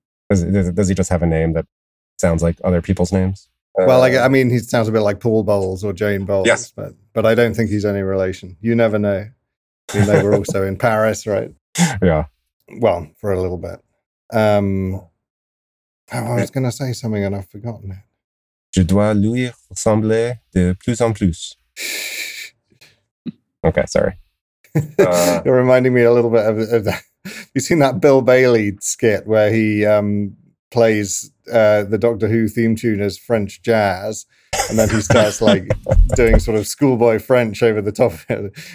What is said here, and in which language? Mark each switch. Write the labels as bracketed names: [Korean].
[English] Does he just have a name that sounds like other people's names? Well, he sounds a bit like Paul Bowles or Jane Bowles, yes. but I don't think he's any relation. You never know. They were also in Paris, right? Yeah. Well, for a little bit. I was going to say something and I've forgotten it. [French] Je dois lui ressembler de plus en plus. [English] Okay, sorry. You're reminding me a little bit of that. You seen that Bill Bailey skit where he plays the Doctor Who theme tune as French jazz, and then he starts like doing sort of schoolboy French over the top of it.